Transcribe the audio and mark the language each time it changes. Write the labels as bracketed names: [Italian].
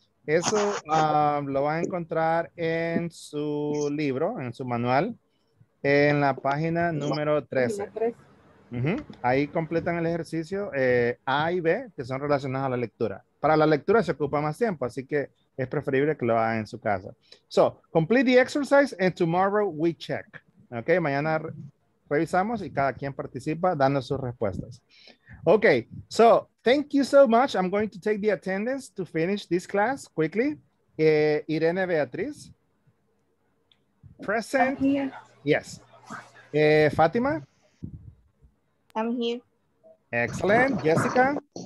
[Spanish] Eso lo va a encontrar en su libro, en su manual, en la página número 13. Uh-huh. Ahí completan el ejercicio A y B, que son relacionados a la lectura. Para la lectura se ocupa más tiempo, así que es preferible que lo hagan en su casa. [English] So, complete the exercise and tomorrow we check. [Spanish] Ok, mañana revisamos y cada quien participa dando sus respuestas. [English] Ok, so, thank you so much. I'm going to take the attendance to finish this class quickly. Irene Beatriz. Present. I'm here. Yes. Fátima. I'm here. Excellent. Jessica.